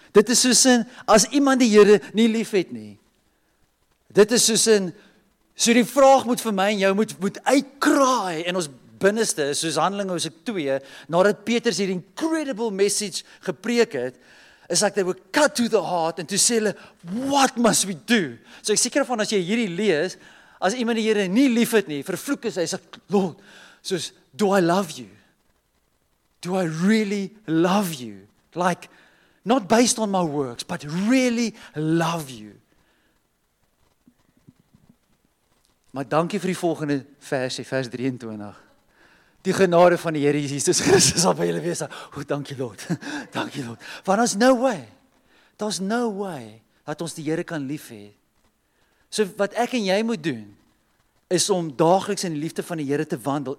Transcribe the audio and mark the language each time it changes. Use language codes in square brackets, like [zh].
[af] Dit is soos in as iemand die Here nie liefhet nie. Dit is soos in so die vraag moet vir my en jou moet uitkraai en ons binneste is soos Handelinge hoofstuk 2 nadat Petrus hierdie [en] incredible message [af] gepreek het. [en] Is like they were cut to the heart and to say, hulle, what must we do? [af] So ek seker van as jy hierdie lees, as iemand die Here nie liefhet nie, vervloek is hy, sê Lord, soos [en] do I love you? Do I really love you? Like not based on my works, but really love you. [af] Maar dankie vir die volgende versie, vers 23. Die genade van die Here Jesus Christus sal by julle wees. O, dankie Lord. Dankie Lord. Want [en] there's no way. There's no way [af] dat ons die Here kan lief hê. So wat ek en jy moet doen is om daagliks in die liefde van die Here te wandel.